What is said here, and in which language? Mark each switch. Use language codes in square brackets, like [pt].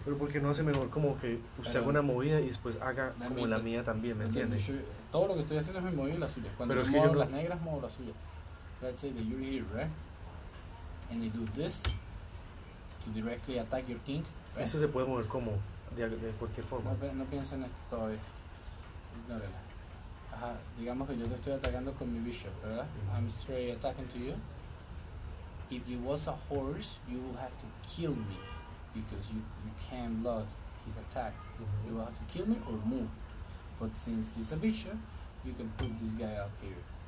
[es] Pero porque no hace mejor como que usted haga una movida y después haga como la mía también, ¿me entiendes? Todo lo que estoy haciendo es mi movida y la suya. Cuando pero yo es muevo que yo las negras, muevo la suya. [en] Let's say that you're here, right? And you do this to directly attack your king. Right? [es] Eso se puede mover como de cualquier forma. No piensa en esto todavía. Ignórela. Ajá, digamos que yo te estoy atacando con mi bishop, ¿verdad? [en] Mm-hmm. I'm straight attacking to you. If you was a horse, you would have to kill me. Because you can't block his attack. Mm-hmm. You will have to kill me or move. But since he's a bishop, you can put this guy up here.